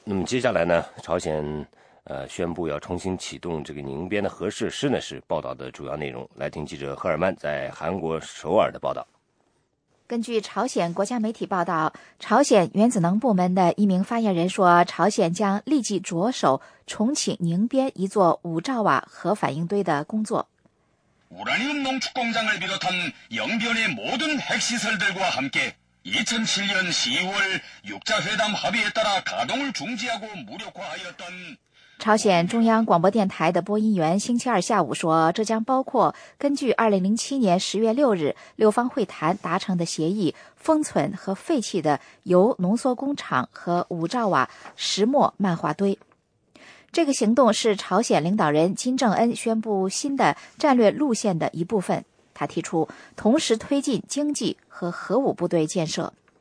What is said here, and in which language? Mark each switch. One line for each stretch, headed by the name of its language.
Chinese: 那么接下来呢，朝鲜宣布要重新启动这个宁边的核设施呢，是报道的主要内容。来听记者赫尔曼在韩国首尔的报道。根据朝鲜国家媒体报道，朝鲜原子能部门的一名发言人说，朝鲜将立即着手重启宁边一座5兆瓦核反应堆的工作。
Korean: 우라늄 농축공장을 비롯한 영변의 모든 핵시설들과 함께 2007년 10월 6자회담 합의에 따라 가동을 중지하고 무력화하였던
Chinese: 朝鲜中央广播电台的播音员星期二下午说，这将包括根据2007年10月6日六方会谈达成的协议封存和废弃的铀浓缩工厂和5兆瓦石墨漫画堆。这个行动是朝鲜领导人金正恩宣布新的战略路线的一部分，他提出同时推进经济和核武部队建设。